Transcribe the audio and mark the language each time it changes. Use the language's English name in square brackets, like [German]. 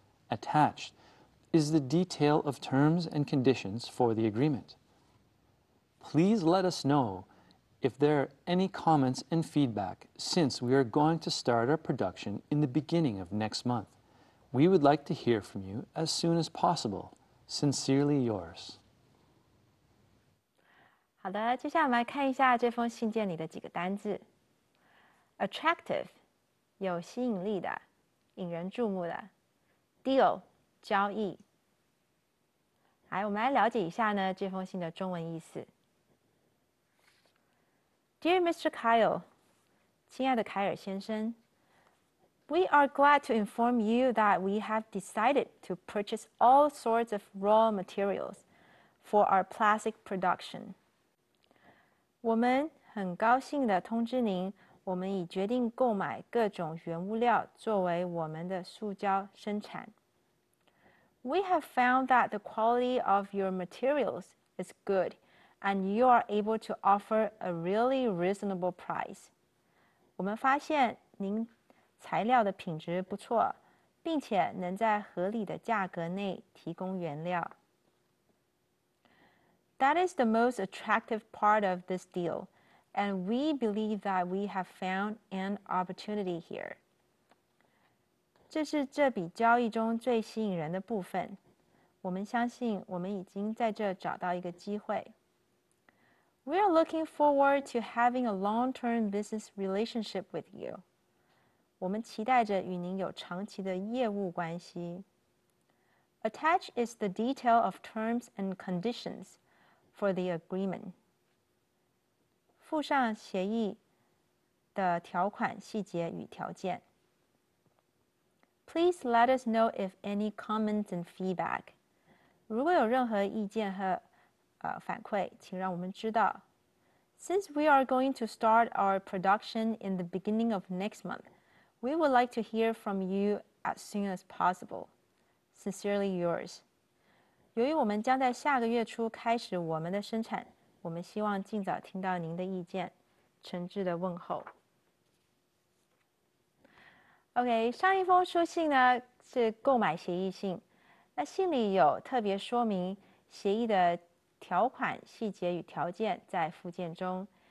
[English] Attached is the detail of terms and conditions for the agreement. Please let us know if there are any comments and feedback, since we are going to start our production in the beginning of next month. We would like to hear from you as soon as possible. Sincerely yours. [Chinese] 好的，接下来我们来看一下这封信件里的几个单字。 Attractive, 有吸引力的，引人注目的。 Deal, 交易。来，我们来了解一下呢，这封信的中文意思。 [English] Dear Mr. Kyle, [Chinese] 亲爱的凯尔先生, [English] We are glad to inform you that we have decided to purchase all sorts of raw materials for our plastic production. [Chinese] 我们很高兴地通知您,我们已决定购买各种原物料作为我们的塑胶生产。 [English] We have found that the quality of your materials is good. And you are able to offer a really reasonable price. [Chinese] 我们发现您材料的品质不错，并且能在合理的价格内提供原料。 [English] That is the most attractive part of this deal, and we believe that we have found an opportunity here. [Chinese] 这是这笔交易中最吸引人的部分。我们相信我们已经在这找到一个机会。 [English] We are looking forward to having a long-term business relationship with you. [Chinese] 我们期待着与您有长期的业务关系。 [English] Attached is the detail of terms and conditions for the agreement. [Chinese] 附上协议的条款、细节与条件。 [English] Please let us know if any comments and feedback. [Chinese] 如果有任何意见和反馈，请让我们知道。 [English] Since we are going to start our production in the beginning of next month, we would like to hear from you as soon as possible. Sincerely yours. [Chinese] 由于我们将在下个月初开始我们的生产，我们希望尽早听到您的意见。诚挚的问候。 OK, 上一封书信呢是购买协议信，那信里有特别说明协议的条款细节与条件在附件中。